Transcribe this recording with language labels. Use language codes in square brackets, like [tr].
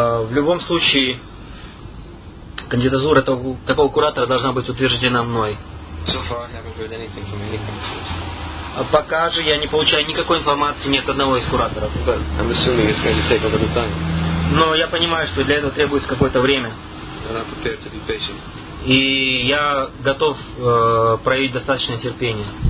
[ru] В любом случае, кандидатура такого куратора должна быть утверждена мной. [en] So far I haven't heard anything from any counselors. [ru] Пока же я не получаю никакой информации ни от одного из кураторов. [en] I'm assuming it's going to take a little time. [ru] Но я понимаю, что для этого требуется какое-то время. [en] And I'm prepared to be patient. [ru] И я готов проявить достаточное терпение.